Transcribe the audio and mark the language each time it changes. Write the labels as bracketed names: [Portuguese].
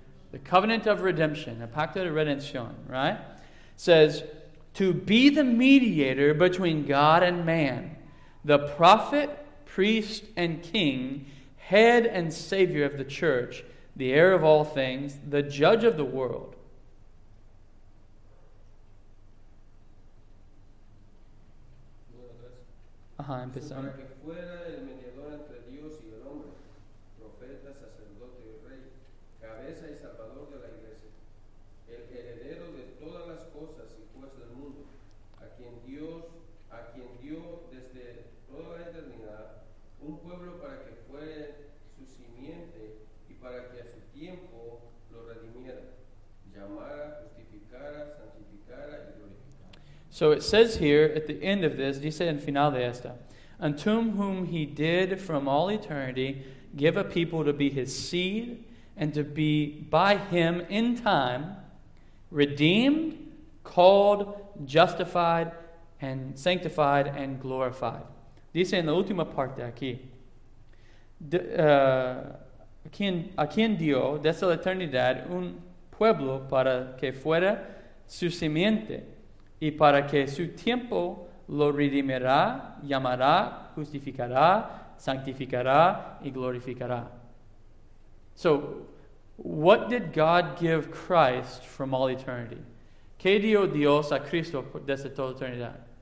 [English] The covenant of redemption, [Spanish] a pacto de redención, [English] right? Says, to be the mediator between God and man, the prophet, priest, and king, head and savior of the church, the heir of all things, the judge of the world. [Spanish] Para que fuera el mediador entre Dios y el hombre, profeta, sacerdote y rey, cabeza y salvador de la iglesia, el heredero de todas las cosas y juez del mundo, a quien dio desde toda la eternidad un pueblo para que fuera su simiente y para que a su tiempo lo redimiera, llamara, justificara, santificara y glorificara. [English] So it says here at the end of this, [Spanish] dice en final de esta, [English] unto whom he did from all eternity give a people to be his seed and to be by him in time redeemed, called, justified, and sanctified and glorified. [Spanish] Dice en la última parte aquí. A quien dio desde la eternidad un pueblo para que fuera su simiente y para que su tiempo lo redimirá, llamará, justificará, sanctificará, y glorificará. [English] So, what did God give Christ from all eternity? [Spanish] ¿Qué dio Dios a Cristo desde toda eternidad?